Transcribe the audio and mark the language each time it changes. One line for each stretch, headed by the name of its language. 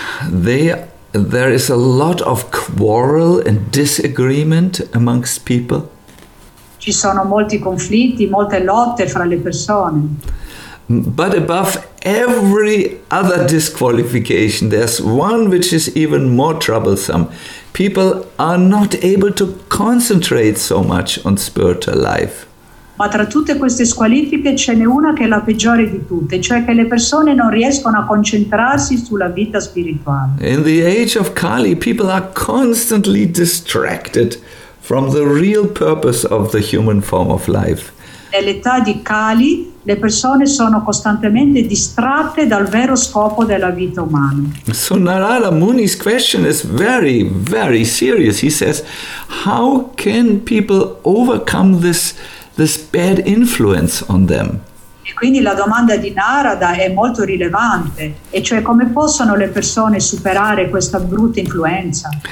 English: There is a lot of quarrel and disagreement amongst people.
Italian: Ci sono molti conflitti, molte lotte fra le persone.
English: But above every other disqualification, there's one which is even more troublesome. People are not able to concentrate so much on spiritual life.
Italian: Ma tra tutte queste squalifiche ce n'è una che è la peggiore di tutte, cioè che le persone non riescono a concentrarsi sulla vita spirituale.
English: In the age of Kali, people are constantly distracted from the real purpose of the human form of life.
Italian: Nell'età di Kali, le persone sono costantemente distratte dal vero scopo della vita umana.
English: So Narada Muni's question is very, very serious. He says, how can people overcome this bad influence on them?
Italian: E quindi la domanda di Narada è molto rilevante, e cioè come possono le persone superare questa brutta influenza?